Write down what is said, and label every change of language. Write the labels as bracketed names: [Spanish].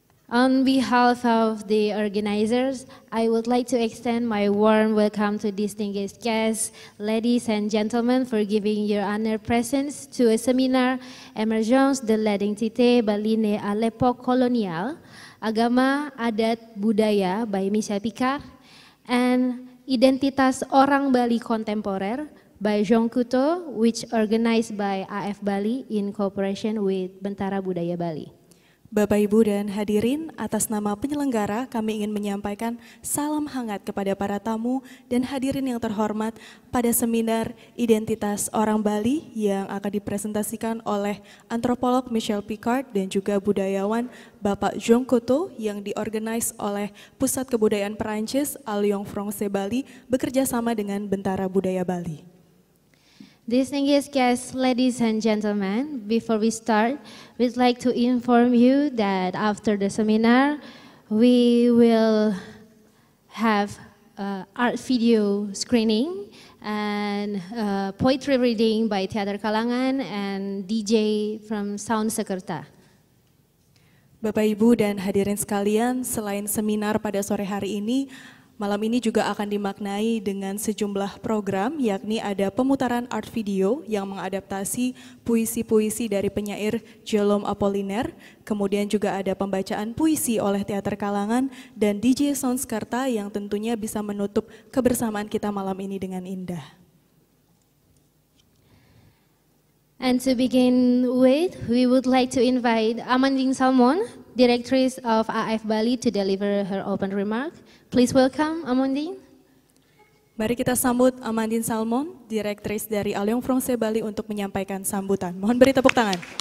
[English] On behalf of the organizers, I would like to extend my warm welcome to distinguished guests, ladies and gentlemen, for giving your honored presence to a seminar, Emergence de l'identité baline à l'époque coloniale, Agama, Adat, Budaya by Michel Picard, and Identitas Orang Bali Contemporer by Jean Couteau, which organized by AF Bali in cooperation with Bentara Budaya Bali. [Indonesian] Bapak, Ibu, dan hadirin, atas nama penyelenggara, kami ingin menyampaikan salam hangat kepada para tamu dan hadirin yang terhormat pada seminar Identitas Orang Bali yang akan dipresentasikan oleh antropolog Michel Picard dan juga budayawan Bapak Jean Couteau yang diorganize oleh Pusat Kebudayaan Perancis Alliance Française Bali bekerja sama dengan Bentara Budaya Bali. [English] Distinguished guests, ladies and gentlemen, before we start, we'd like to inform you that after the seminar, we will have art video screening and poetry reading by Teater Kalangan and DJ from Sound Sekerta. [Indonesian] Bapak, Ibu, dan hadirin sekalian, selain seminar pada sore hari ini, malam ini juga akan dimaknai dengan sejumlah program, yakni ada pemutaran art video yang mengadaptasi puisi-puisi dari penyair Jerome Apollinaire, kemudian juga ada pembacaan puisi oleh Teater Kalangan dan DJ Sound Sekerta yang tentunya bisa menutup kebersamaan kita malam ini dengan indah. [English] And to begin with, we would like to invite Amandine Salmon, directress of AF Bali, to deliver her open remark. Please welcome Amandine. [Indonesian] Mari kita sambut Amandine Salmon, directress dari Alliance Française Bali, untuk menyampaikan sambutan. Mohon beri tepuk tangan.